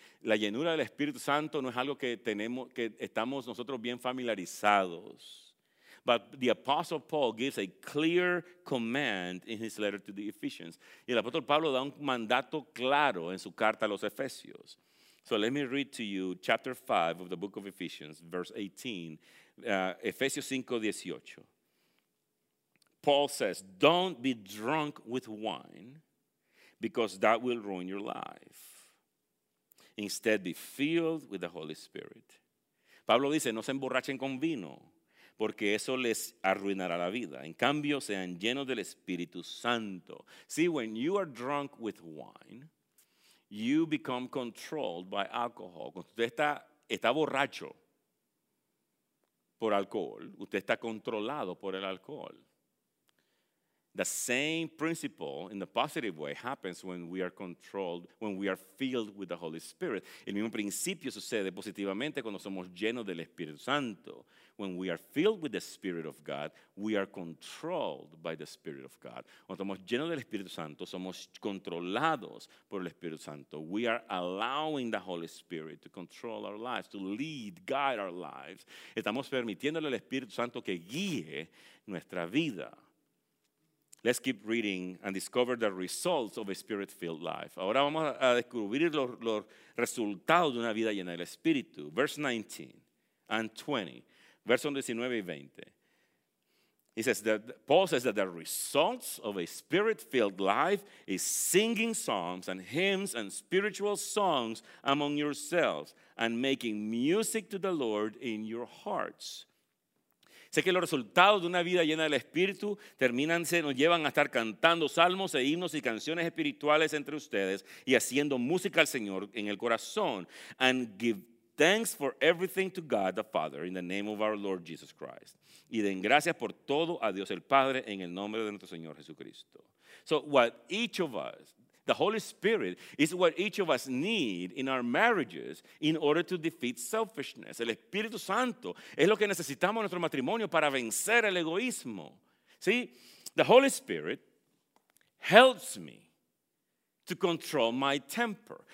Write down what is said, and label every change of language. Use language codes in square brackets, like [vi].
[es] La llenura del Espíritu Santo no es algo que tenemos, que estamos nosotros bien familiarizados. [en] But the Apostle Paul gives a clear command in his letter to the Ephesians. [es] Y el apóstol Pablo da un mandato claro en su carta a los Efesios. [en] So let me read to you chapter 5 of the book of Ephesians, verse 18. Efesios 5:18. Paul says, "Don't be drunk with wine, because that will ruin your life. Instead, be filled with the Holy Spirit." [es] Pablo dice, no se emborrachen con vino, porque eso les arruinará la vida. En cambio, sean llenos del Espíritu Santo. [en] See, when you are drunk with wine, you become controlled by alcohol. [es] Cuando usted está borracho por alcohol, usted está controlado por el alcohol. [en] The same principle in the positive way happens when we are controlled, when we are filled with the Holy Spirit. [es] El mismo principio sucede positivamente cuando somos llenos del Espíritu Santo. [en] When we are filled with the Spirit of God, we are controlled by the Spirit of God. [es] Cuando somos llenos del Espíritu Santo, somos controlados por el Espíritu Santo. [en] We are allowing the Holy Spirit to control our lives, to lead, guide our lives. [es] Estamos permitiéndole al Espíritu Santo que guíe nuestra vida. [en] Let's keep reading and discover the results of a Spirit-filled life. [es] Ahora vamos a descubrir los resultados de una vida llena del Espíritu. [en] Verse 19 and 20. [es] Verso 19 y 20. [en] Paul says that the results of a Spirit-filled life is singing psalms and hymns and spiritual songs among yourselves and making music to the Lord in your hearts. [es] Sé que los resultados de una vida llena del Espíritu terminan, se nos llevan a estar cantando salmos e himnos y canciones espirituales entre ustedes y haciendo música al Señor en el corazón. [en] And give thanks for everything to God the Father in the name of our Lord Jesus Christ. [es] Y den gracias por todo a Dios el Padre en el nombre de nuestro Señor Jesucristo. [en] So what each of us, the Holy Spirit, is what each of us need in our marriages in order to defeat selfishness. [es] El Espíritu Santo es lo que necesitamos en nuestro matrimonio para vencer el egoísmo. [en] See, the Holy Spirit helps me to control my temper.